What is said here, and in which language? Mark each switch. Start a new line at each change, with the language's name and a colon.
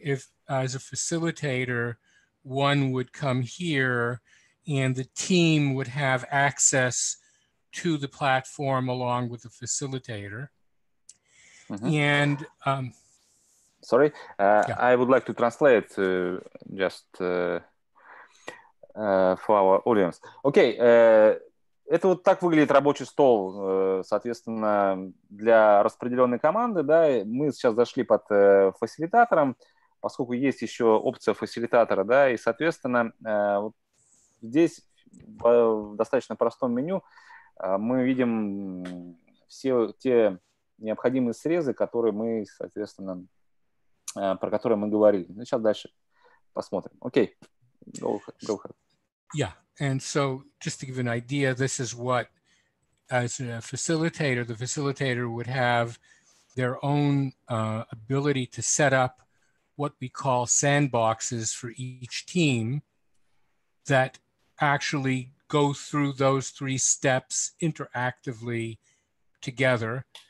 English: If as a facilitator, one would come here and the team would have access to the platform along with the facilitator. Mm-hmm. And sorry, yeah. I would like to translate for our audience. Okay.
Russian: Это вот так выглядит рабочий стол, соответственно, для распределенной команды. Да, мы сейчас зашли под фасилитатором, поскольку есть еще опция фасилитатора, да, и, соответственно, вот здесь в достаточно простом меню мы видим все те необходимые срезы, которые мы, соответственно, про которые мы говорили. Ну, сейчас дальше посмотрим.
English: Окей. Go ahead. Yeah. And so just to give an idea, this is what, as a facilitator, the facilitator would have their own ability to set up what we call sandboxes for each team that actually go through those three steps interactively together.